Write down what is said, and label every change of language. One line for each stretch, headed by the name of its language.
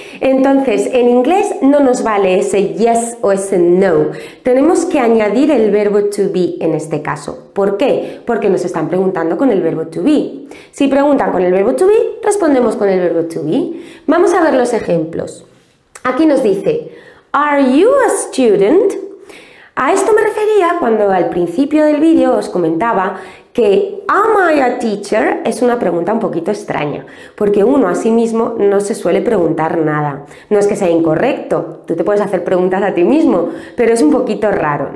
Spanish: Entonces, en inglés no nos vale ese yes o ese no. Tenemos que añadir el verbo to be en este caso. ¿Por qué? Porque nos están preguntando con el verbo to be. Si preguntan con el verbo to be, respondemos con el verbo to be. Vamos a ver los ejemplos. Aquí nos dice,
English: are you a student?
Spanish: A esto me refería cuando al principio del vídeo os comentaba que
English: am I a teacher
Spanish: es una pregunta un poquito extraña, porque uno a sí mismo no se suele preguntar nada. No es que sea incorrecto, tú te puedes hacer preguntas a ti mismo, pero es un poquito raro.